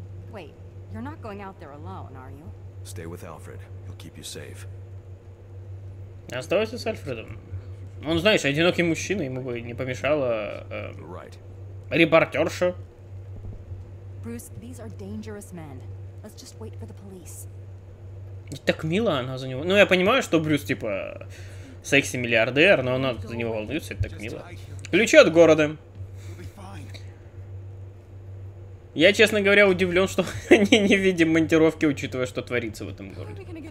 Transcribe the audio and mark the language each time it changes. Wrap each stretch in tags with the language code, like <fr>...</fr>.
<en>Wait, you're not going out there alone, are you? Stay with Alfred. He'll keep you safe.</en> <ru>Оставайся с Альфредом. Он, знаешь, одинокий мужчина, ему бы не помешало репортерша.</ru> <en>Bruce, these are dangerous men. Let's just wait for the police.</en> <ru>И так мило она за него. Ну, я понимаю, что Брюс, типа, секси-миллиардер, но она за него волнуется, это так мило. Ключи от города. Я, честно говоря, удивлен, что они не видят монтировки, учитывая, что творится в этом городе.</ru>